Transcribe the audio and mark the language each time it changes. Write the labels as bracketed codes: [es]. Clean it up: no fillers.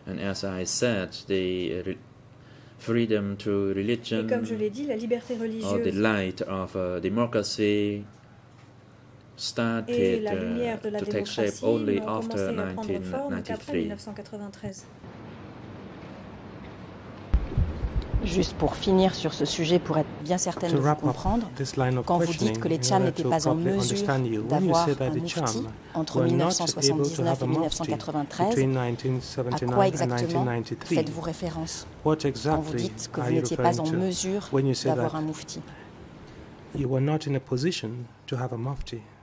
[en] And as I said, the freedom to religion, [fr] et comme je l'ai dit, la liberté religieuse, [en] or the light of democracy, started [fr] et la lumière de la [en] to take shape only after 1993. [fr] Juste pour finir sur ce sujet, pour être bien certaine de vous comprendre, quand vous dites que les Cham n'étaient pas en mesure d'avoir un mufti entre 1979 et 1993, à quoi exactement faites-vous référence quand vous dites que vous n'étiez pas en mesure d'avoir un mufti? [en] You were not in a position to have a mufti.